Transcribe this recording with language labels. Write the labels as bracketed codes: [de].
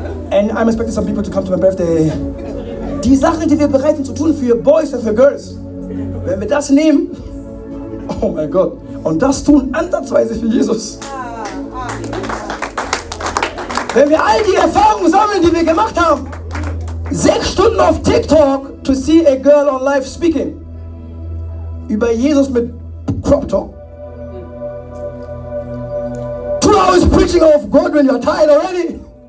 [en] And I'm expecting some people to come to my birthday. [de] Die Sachen, die wir bereit sind zu tun für Boys und für Girls, wenn wir das nehmen, oh mein Gott, und das tun ansatzweise für Jesus. Wenn wir all die Erfahrungen sammeln, die wir gemacht haben, 6 Stunden auf TikTok [en] to see a girl on live speaking [de] über Jesus mit Crop Talk. [en] 2 hours preaching of God when you're tired already.